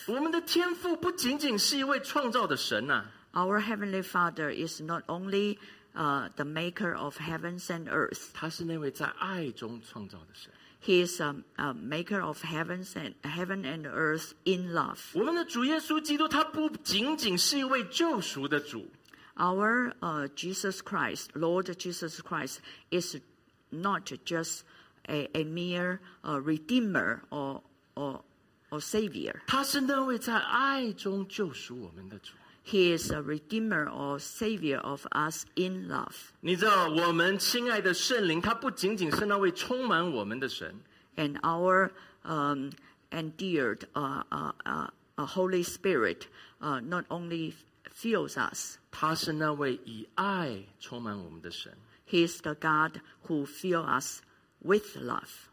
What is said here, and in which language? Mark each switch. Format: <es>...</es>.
<zh>我们的天父不仅仅是一位创造的神啊。</zh> <en>Our Heavenly Father is not only the maker of heavens and earth.</en> <zh>他是那位在爱中创造的神。</zh> <en>He is a maker of heaven and earth in love.</en> <zh>我们的主耶稣基督，他不仅仅是一位救赎的主。</zh> <en>Our Jesus Christ, Lord Jesus Christ, is not just a mere redeemer or savior.</en> <zh>他是那位在爱中救赎我们的主。</zh> <en>He is a redeemer or savior of us in love.</en> <zh>你知道我们亲爱的圣灵，他不仅仅是那位充满我们的神。</zh> <en>And our endeared Holy Spirit not only fills us.</en> <zh>他是那位以爱充满我们的神。</zh> <en>He is the God who fills us with love.</en>